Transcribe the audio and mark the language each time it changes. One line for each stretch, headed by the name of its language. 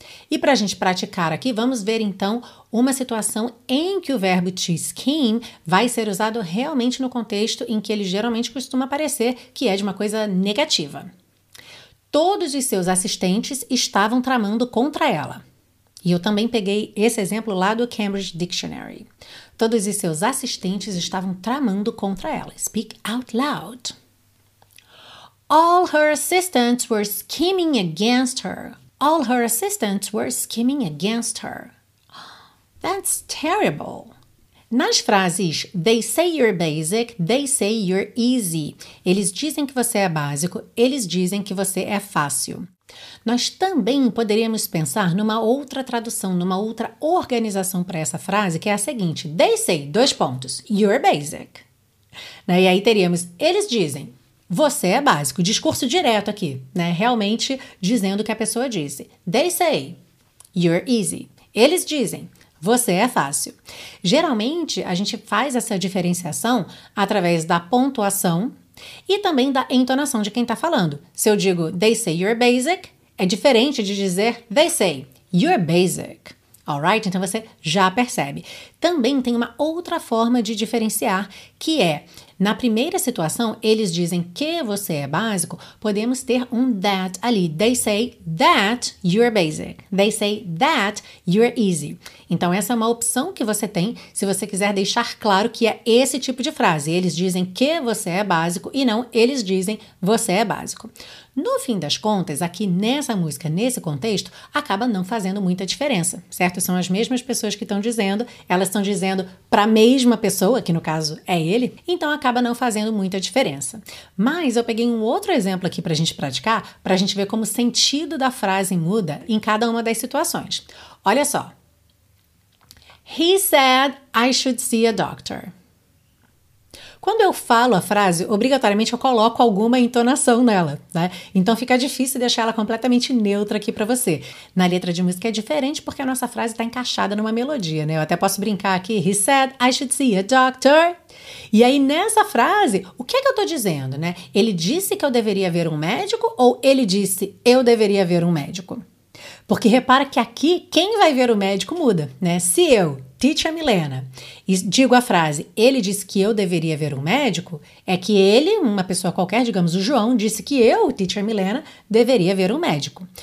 Portuguese: E para a gente praticar aqui, vamos ver então uma situação em que o verbo to scheme vai ser usado realmente no contexto em que ele geralmente costuma aparecer, que é de uma coisa negativa. Todos os seus assistentes estavam tramando contra ela. E eu também peguei esse exemplo lá do Cambridge Dictionary. Todos os seus assistentes estavam tramando contra ela.
English: Speak out loud. All her assistants were scheming against her. All her assistants were scheming against her. That's terrible.
Portuguese: Nas frases,
English: they say you're basic, they say you're easy.
Portuguese: Eles dizem que você é básico, eles dizem que você é fácil. Nós também poderíamos pensar numa outra tradução, numa outra organização para essa frase, que é a seguinte.
English: They say,
Portuguese: dois pontos,
English: you're basic.
Portuguese: E aí teríamos, eles dizem. Você é básico, discurso direto aqui, né? Realmente dizendo o que a pessoa disse.
English: They say, you're easy.
Portuguese: Eles dizem, Você é fácil. Geralmente, a gente faz essa diferenciação através da pontuação e também da entonação de quem está falando. Se eu digo,
English: they say you're basic,
Portuguese: é diferente de dizer,
English: they say you're basic. Alright?
Portuguese: Então, você já percebe. Também tem uma outra forma de diferenciar, que é, na primeira situação, eles dizem que você é básico, podemos ter um that ali.
English: They say that you're basic. They say that you're easy.
Portuguese: Então, essa é uma opção que você tem se você quiser deixar claro que é esse tipo de frase. Eles dizem que você é básico e não eles dizem você é básico. No fim das contas, aqui nessa música, nesse contexto, acaba não fazendo muita diferença, certo? São as mesmas pessoas que estão dizendo, elas estão dizendo para a mesma pessoa, que no caso é ele, então acaba não fazendo muita diferença. Mas eu peguei um outro exemplo aqui para a gente praticar, para a gente ver como o sentido da frase muda em cada uma das situações. Olha só.
English: He said I should see a doctor.
Portuguese: Quando eu falo a frase, obrigatoriamente eu coloco alguma entonação nela, né? Então fica difícil deixar ela completamente neutra aqui pra você. Na letra de música é diferente porque a nossa frase tá encaixada numa melodia, né? Eu até posso brincar aqui.
English: He said I should see a doctor.
Portuguese: E aí nessa frase, o que é que eu tô dizendo, né? Ele disse que eu deveria ver um médico ou ele disse eu deveria ver um médico? Porque repara que aqui quem vai ver o médico muda, né? Se eu, Teacher Milena, e digo a frase, ele disse que eu deveria ver um médico, é que ele, uma pessoa qualquer, digamos o João, disse que eu, Teacher Milena, deveria ver um médico.